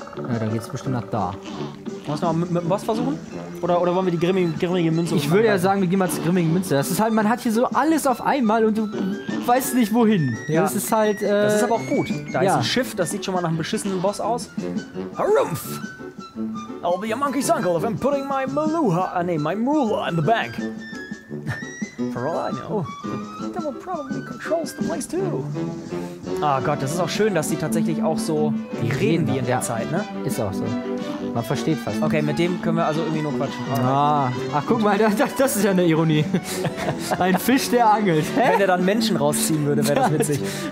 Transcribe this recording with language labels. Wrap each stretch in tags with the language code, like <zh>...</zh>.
<de>Ja, dann geht's bestimmt nach da. Wollen wir es nochmal mit dem Boss versuchen? Oder wollen wir die grimmige Münze? Ich würde ja sagen, wir gehen mal zur grimmigen Münze. Das ist halt, man hat hier so alles auf einmal und du weißt nicht wohin. Ja. Das ist halt. Das ist aber auch gut. Da ja. Ist ein Schiff, das sieht schon mal nach einem beschissenen Boss aus. Harumph!</de> <en>I'll be a monkey's uncle if I'm putting my Maluha. My Mula in the bank. For all I know, the devil probably controls the place too.</en> <de>Ah Gott, das ist auch schön, dass sie tatsächlich auch so reden wie in der Zeit, ne? Ist auch so. Man versteht fast. Okay, mit dem können wir also irgendwie nur quatschen. Ah, ach, guck mal, das ist ja eine Ironie. Ein Fisch, der angelt. Hä? Wenn er dann Menschen rausziehen würde, wäre das witzig.</de>